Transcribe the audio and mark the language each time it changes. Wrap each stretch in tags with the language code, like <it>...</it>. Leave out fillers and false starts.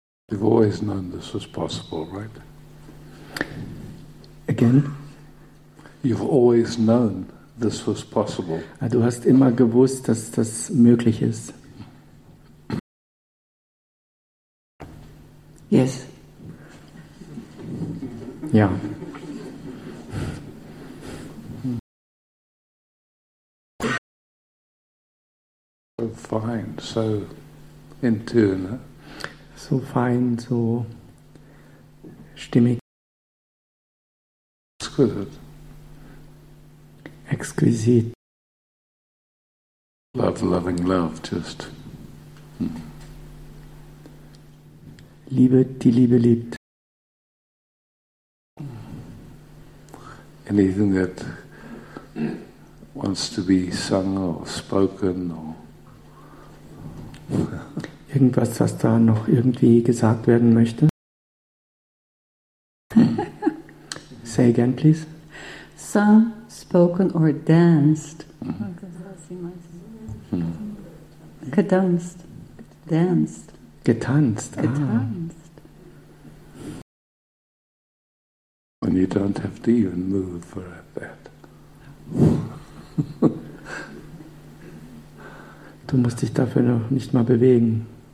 <en>We've always known this was possible, right? Again? You've always known this was possible.</en> <de>Du hast immer gewusst, dass das möglich ist.</de> <en>Yes.</en> <de>Ja.</de> <en>So fine, so in tune.</en> <de>So fein, so stimmig.</de> <en>Exquisite.</en> <de>Exquisit.</de> <en>Love, loving love, just.</en> <de>Liebe, die Liebe liebt.</de> <en>Anything that wants to be sung or spoken or...</en> <de>Irgendwas, was da noch irgendwie gesagt werden möchte?</de> <en>Say again, please. Sung, spoken or danced. Danced.</en> <de>Getanzt. Getanzt. Ah.</de> <en>When you don't have to even move for that.</en> <de>Du musst dich dafür noch nicht mal bewegen.</de>